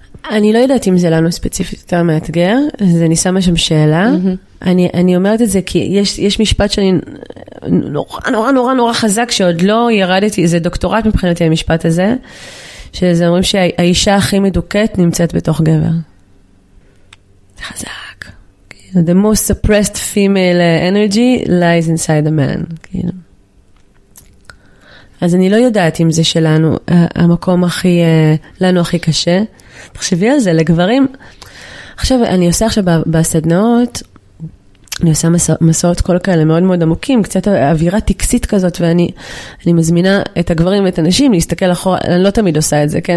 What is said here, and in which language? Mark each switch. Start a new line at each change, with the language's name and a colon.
Hebrew: אני לא יודעת אם זה לנו ספציפית יותר מאתגר, אז אני שמה שם שאלה. אני אומרת את זה כי יש משפט שאני נורא נורא נורא נורא חזק, שעוד לא ירדתי, זה דוקטורט מבחינתי המשפט הזה, שזה אומרים שהאישה הכי מדוקת נמצאת בתוך גבר. חזק.
English: כאילו, the most suppressed female energy lies inside a man.
Hebrew: כאילו. אז אני לא יודעת אם זה שלנו, המקום הכי, לנו הכי קשה. תחשבי על זה, לגברים. עכשיו, אני עושה עכשיו בסדנאות, אני עושה מסעות כל כאלה מאוד מאוד עמוקים, קצת אווירה טקסית כזאת, ואני מזמינה את הגברים ואת הנשים להסתכל אחורה, אני לא תמיד עושה את זה, כן?